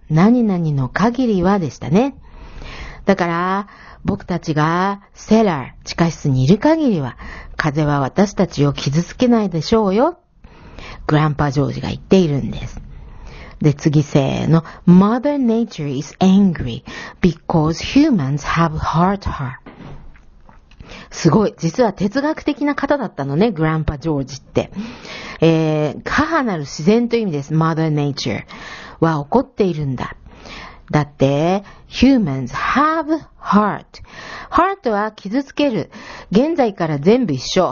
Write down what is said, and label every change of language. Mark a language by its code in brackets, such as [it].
[ja] 何々の限りはでしたね。だから、僕たちがセラー、地下室にいる限りは、風は私たちを傷つけないでしょうよ。グランパジョージが言っているんです。で、次せーの。 [en] Mother Nature is angry because humans have hurt her. [ja] すごい。実は哲学的な方だったのね、グランパジョージって。母なる自然という意味です。 Mother Nature は怒っているんだ。だって、 [en] humans have heart. [ja] heart は傷つける。現在から全部一緒。